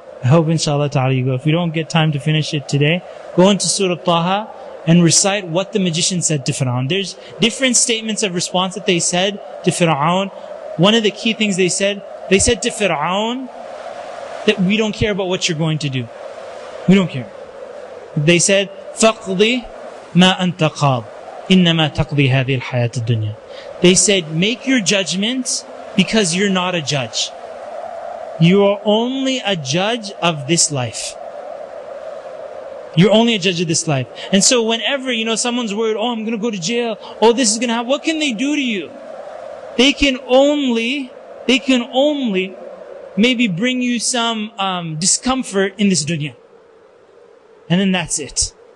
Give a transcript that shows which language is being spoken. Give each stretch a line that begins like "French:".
English: I hope inshallah ta'ala you go. If we don't get time to finish it today, go into Surah Taha and recite what the magician said to Fir'aun. There's different statements of response that they said to Fir'aun. One of the key things they said to Fir'aun that we don't care about what you're going to do. We don't care. They said,
Arabic: فَقْضِ مَا أَنْتَ قَاض إِنَّمَا تَقْضِي هَذِي الْحَيَاةِ الدُّنْيَا.
English: They said, make your judgment because you're not a judge. You are only a judge of this life. You're only a judge of this life. And so whenever, you know, someone's worried, oh, I'm going to go to jail. Oh, this is going to happen. What can they do to you? They can only maybe bring you some discomfort in this dunya. And then that's it.